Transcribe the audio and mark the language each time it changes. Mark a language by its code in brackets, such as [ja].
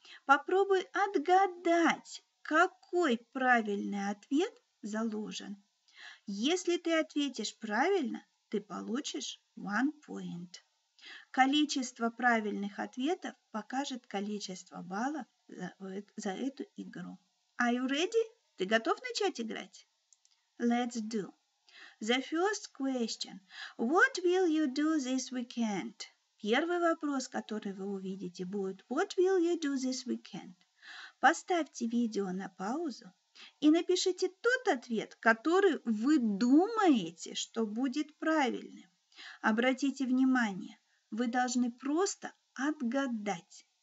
[ru] Попробуй отгадать, какой правильный ответ заложен. Если ты ответишь правильно, ты получишь 1 point. Количество правильных ответов покажет количество баллов за эту игру. [en] Are you ready? [ru] Ты готов начать играть? [en] Let's do. The first question. What will you do this weekend? [ru] Первый вопрос, который вы увидите, будет [en] «What will you do this weekend?» [ru] Поставьте видео на паузу и напишите тот ответ, который вы думаете, что будет правильным. Обратите внимание, вы должны просто отгадать.